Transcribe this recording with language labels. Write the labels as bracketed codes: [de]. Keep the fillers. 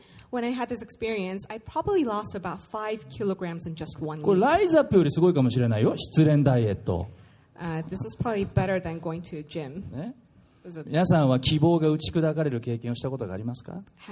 [en] when I had this experience, I probably lost about 5 kilograms in just one week. [ja] これ、ライズアップよりすごいかもしれないよ、失恋ダイエット。 [en] Uh, this is probably better than going to a gym. [ja] ね皆さんは希望が打ち砕かれる経験をしたことがありますか